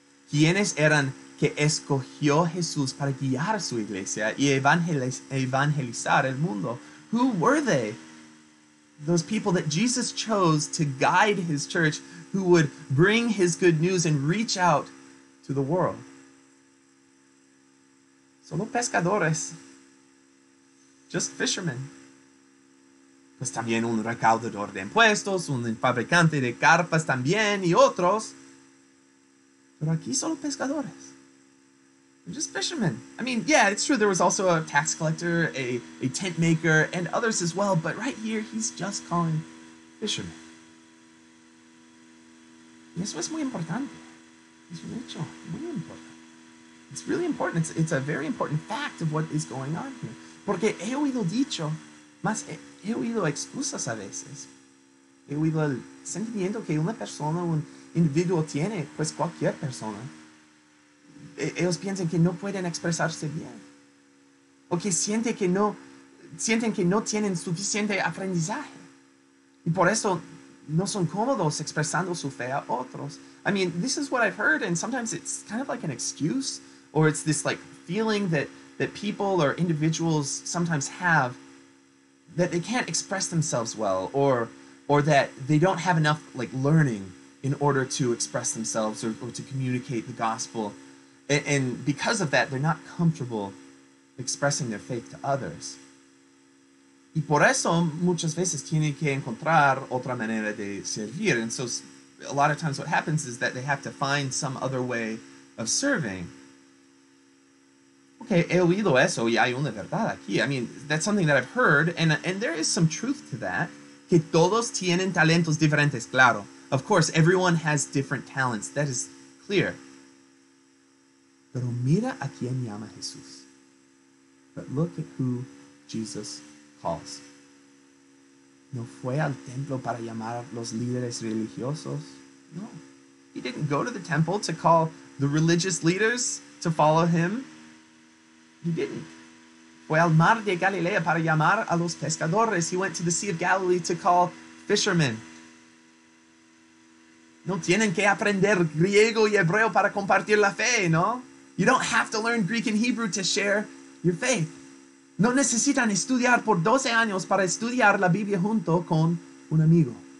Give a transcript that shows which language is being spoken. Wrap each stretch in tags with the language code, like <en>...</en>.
<es>¿Quiénes eran que escogió Jesús para guiar su iglesia y evangelizar el mundo?</es> <en>Who were they? Those people that Jesus chose to guide his church, who would bring his good news and reach out to the world.</en> <es>Solo pescadores.</es> <en>Just fishermen.</en> <es>Pues también un recaudador de impuestos, un fabricante de carpas también y otros. Pero aquí solo pescadores.</es> <en>They're just fishermen. I mean, yeah, it's true. There was also a tax collector, a tent maker, and others as well. But right here, he's just calling fishermen.</en> <es>Y eso es muy importante. Es un hecho muy importante.</es> <en>It's really important. It's a very important fact of what is going on here.</en> <es>Porque he oído dicho, más he oído excusas a veces. He oído el sentimiento que una persona, un individuo tiene, pues cualquier persona. Ellos piensan que no pueden expresarse bien. O que sienten que no tienen suficiente aprendizaje. Y por eso no son cómodos expresando su fe a otros.</es> <en>I mean, this is what I've heard, and sometimes it's kind of like an excuse, or it's this like feeling that people or individuals sometimes have that they can't express themselves well, or that they don't have enough like learning in order to express themselves or to communicate the gospel. And because of that, they're not comfortable expressing their faith to others.</en> <es>Y por eso muchas veces tienen que encontrar otra manera de servir.</es> <en>And so a lot of times what happens is that they have to find some other way of serving.</en> <es>Okay, he oído eso y hay una verdad aquí.</es> <en>I mean, that's something that I've heard, and there is some truth to that.</en> <es>Que todos tienen talentos diferentes, claro.</es> <en>Of course, everyone has different talents. That is clear.</en> <es>Pero mira a quien llama Jesús.</es> <en>But look at who Jesus calls.</en> <es>No fue al templo para llamar a los líderes religiosos. No.</es> <en>He didn't go to the temple to call the religious leaders to follow him. He didn't.</en> <es>Fue al mar de Galilea para llamar a los pescadores.</es> <en>He went to the Sea of Galilee to call fishermen.</en> <es>No tienen que aprender griego y hebreo para compartir la fe, ¿no?</es> <en>You don't have to learn Greek and Hebrew to share your faith.</en> <es>No necesitan estudiar por 12 años para estudiar la Biblia junto con un amigo.</es>